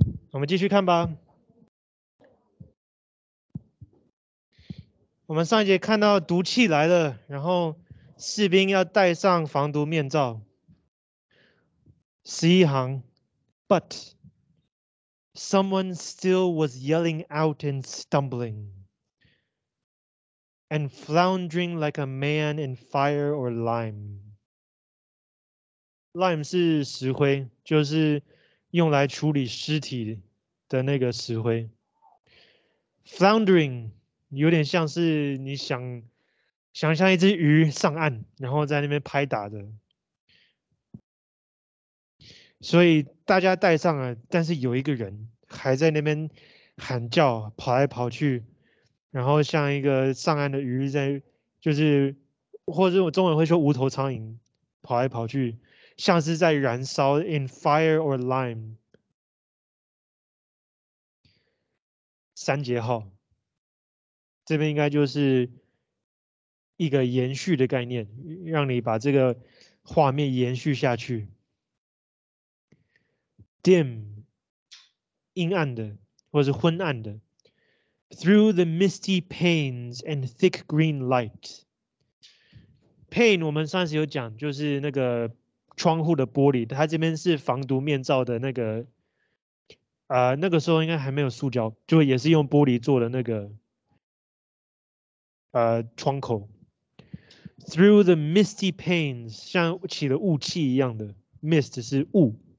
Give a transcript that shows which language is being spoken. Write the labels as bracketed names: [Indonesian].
[Chinese] 我们继续看吧。我们上一节看到毒气来了，然后士兵要戴上防毒面罩。十一行 [English] ，But someone still was yelling out and stumbling and floundering like a man in fire or lime. [Chinese] Lime 是石灰，就是用来处理尸体的那个石灰。 Floundering 有点像是你想象一只鱼上岸，然后在那边拍打的。所以大家戴上了，但是有一个人还在那边喊叫，跑来跑去，然后像一个上岸的鱼在，就是或者我中文会说无头苍蝇，跑来跑去，像是在燃烧 ， [English] in fire or lime。 [Chinese] 三节号，这边应该就是一个延续的概念，让你把这个画面延续下去。 Dim, 阴暗的，或是昏暗的。 [English] Through the misty panes and thick green light. [Chinese] Pane 我们上次有讲，就是那个窗户的玻璃，它这边是防毒面罩的那个，那个时候应该还没有塑胶，就也是用玻璃做的那个，窗口。 [English] Through the misty panes, [Chinese] 像起了雾气一样的 ，mist 是雾。